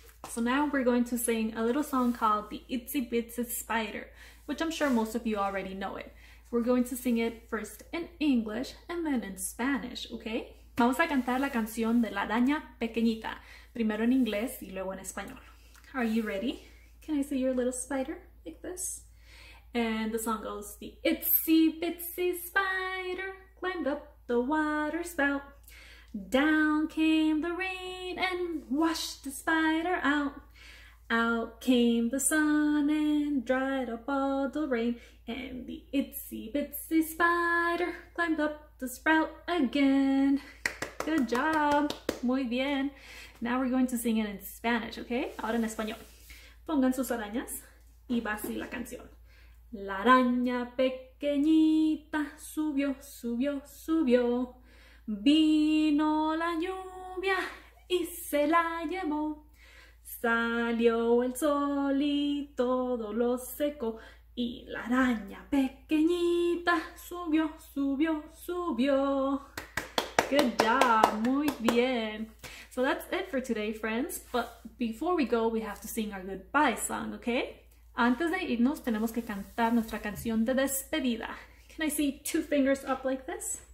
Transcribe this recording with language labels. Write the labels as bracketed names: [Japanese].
[English] So now we're going to sing a little song called the Itsy-Bitsy Spider, which I'm sure most of you already know it. We're going to sing it first in English and then in Spanish, okay? [Spanish] Vamos a cantar la canción de la araña pequeñita, primero en inglés y luego en español. [English] Are you ready? Can I see your little spider like this? And the song goes, the Itsy-Bitsy Spider climbed up the water spout. Down came the rain and washed the spider out. Out came the sun and dried up all the rain. And the itsy-bitsy spider climbed up the sprout again. Good job. [Spanish] Muy bien. [English] Now we're going to sing it in Spanish, okay? [Spanish] Ahora en español. Pongan sus arañas y va así la canción. La araña pequeñita subió, subió, subió. Vino la lluvia y se la llevó. Salió el sol y todo lo secó. Y la araña pequeñita subió, subió, subió. [English] Good job. [Spanish] Muy bien. [English] So that's it for today, friends. But before we go, we have to sing our goodbye song, okay? [Spanish] Antes de irnos, tenemos que cantar nuestra canción de despedida. [English] Can I see two fingers up like this?